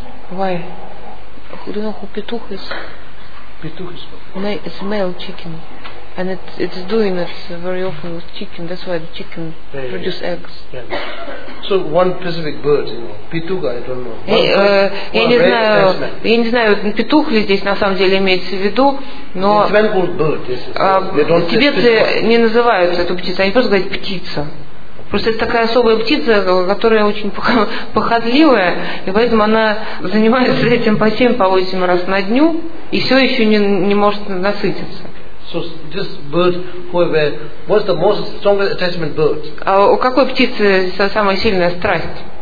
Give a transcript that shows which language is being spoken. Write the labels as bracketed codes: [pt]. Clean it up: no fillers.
[en] Why? Who do you know who pituk is? Pituk is what? No, it's male chicken. And it's doing it very often with chicken. That's why the chicken produce eggs. Yeah. So one specific bird, you know, pituga, I don't know. [ru] Я не знаю, петух ли здесь на самом деле имеется в виду, но тибетцы не называют эту птицу, они просто говорят птица. Просто это такая особая птица, которая очень похотливая, и поэтому она занимается этим по 7-8 раз на дню и все еще не может насытиться. [en] So this bird, whoever, what's the most strongest attachment bird? [ru] А у какой птицы самая сильная страсть?